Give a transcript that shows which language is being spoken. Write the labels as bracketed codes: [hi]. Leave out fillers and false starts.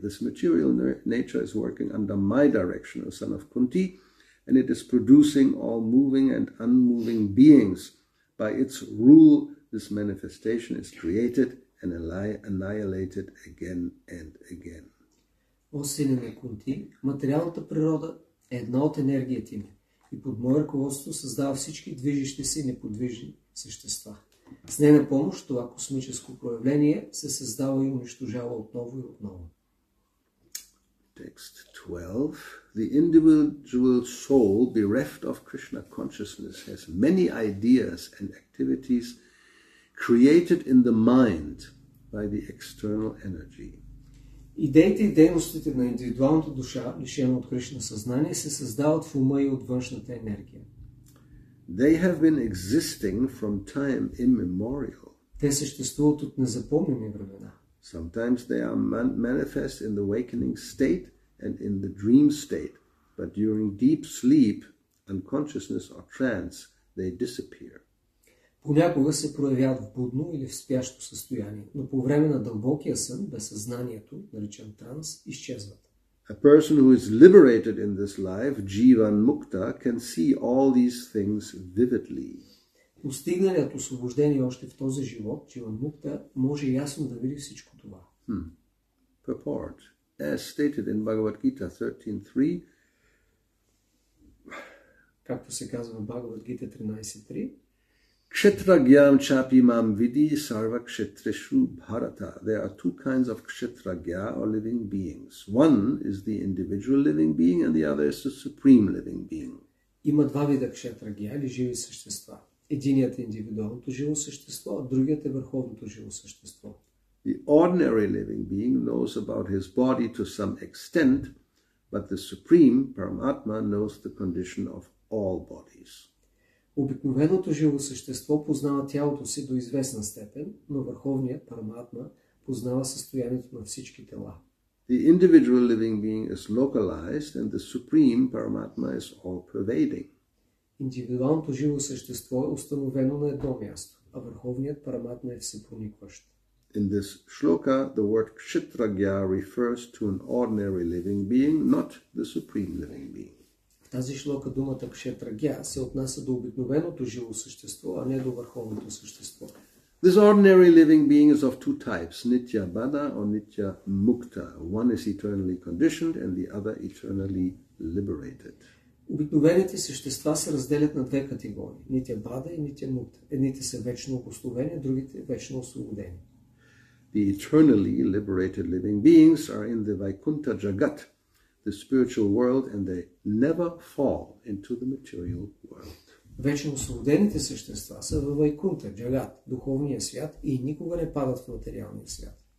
[en] This material nature is working under my direction, O son of Kunti, and it is producing all moving and unmoving beings. By its rule, this manifestation is created and annihilated again and again. [bg] О сине на Кунти, материалната природа е една от енергията ми и под мое ръководство създава всички движещи се и неподвижни същества. С нейна помощ това космическо проявление се създава и унищожава отново и отново. [en] Text 12. The individual soul, bereft of Krishna consciousness, has many ideas and activities created in the mind by the external energy. [bg] Идеите и дейностите на индивидуалната душа, лишена от Кришна съзнание, се създават в ума и от външната енергия. [en] They have been existing from time immemorial. [bg] Те съществуват от незапомнени времена. [en] Sometimes they are manifest in the awakening state and in the dream state, but during deep sleep, unconsciousness or trance, they disappear. [bg] Понякога се проявяват в будно или в спящо състояние, но по време на дълбокия сън, безсъзнанието, наречен транс, изчезват. [en] A person who is liberated in this life, jivan mukta, can see all these things vividly. [bg] Постигналият освобождение още в този живот, jivan mukta, може ясно да види всичко това. [en] Purport. As stated in Bhagavad Gita 13:3. [bg] Както се казва в Bhagavad Gita 13:3. [sa] Kshetra gyam chapi mam vidi sarva kshetrishu bharata. [en] There are two kinds of kshetra gya or living beings. One is the individual living being and the other is the supreme living being. [bg] Има два вида кшетра гя или живи същества. Единият е индивидуалното живо същество, а другият е върховното живо същество. [en] The ordinary living being knows about his body to some extent, but the Supreme Paramatma knows the condition of all bodies. [bg] Обикновеното живо същество познава тялото си до известна степен, но върховният параматма познава състоянието на всички тела. [en] The individual living being is localized and the supreme paramatma is all pervading. [bg] Индивидуалното живо същество е установено на едно място, а върховният параматма е всепроникващ. [en] In this shloka, the word kshatragya refers to an ordinary living being, not the supreme living being. [bg] В тази шлока думата кшетрагя се отнася до обикновеното живо същество, а не до върховното същество. [en] This ordinary living being is of two types, nitya bada or nitya mukta. One is eternally conditioned and the other eternally liberated. [bg] Обикновените същества се разделят на две категории, nitya bada и nitya mukta. Едните са вечно обусловени, другите вечно освободени. [en] The eternally liberated living beings are in the Vaikuntha jagat, the spiritual world, and they never fall into the material world. [bg] Вечно освободените същества са във Вайкунта, джагат, духовния свят, и никога не падат в материалния свят.